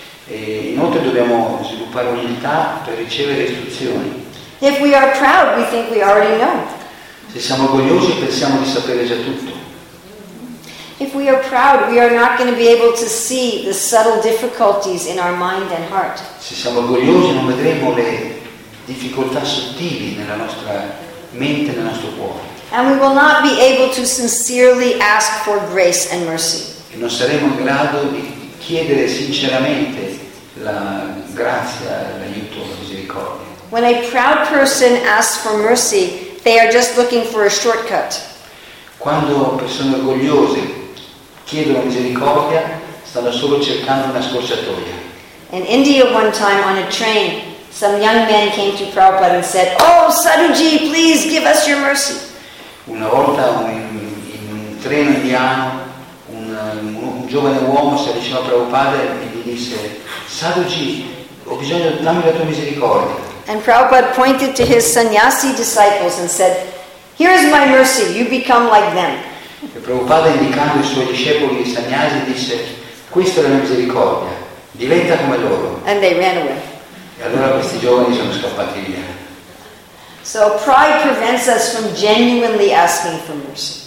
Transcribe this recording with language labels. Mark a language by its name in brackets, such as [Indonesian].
[Italian] E inoltre dobbiamo sviluppare umiltà per ricevere istruzioni. [English] If we are proud, we think we already know. [Italian] Se siamo orgogliosi pensiamo di sapere già tutto. [English] If we are proud, we are not going to be able to see the subtle difficulties in our mind and heart. [Italian] Se siamo orgogliosi non vedremo le difficoltà sottili nella nostra mente, nel nostro cuore. [English] And we will not be able to sincerely ask for grace and mercy. [Italian] E non saremo in grado di chiedere sinceramente la grazia, l'aiuto, la misericordia. [English] When a proud person asks for mercy, they are just looking for a shortcut. [Italian] Quando persone orgogliose chiedono misericordia, stanno solo cercando una scorciatoia. [English] In India, one time on a train, some young man came to Prabhupada and said, "Oh, Saduji, please give us your mercy." [Italian] Una volta in un treno indiano, un giovane uomo si avvicinò a Prabhupada e gli disse, "Saduji, ho bisogno, dammi la tua misericordia." [English] And Prabhupada pointed to his sannyasi disciples and said, "Here is my mercy. You become like them." [Italian] E Prabhupada, indicando i suoi discepoli di sannyasi, disse, "Questa è la mia misericordia. Diventa come loro." [English] And they ran away. [Italian] E allora questi giovani sono scappati via. [English] So pride prevents us from genuinely asking for mercy.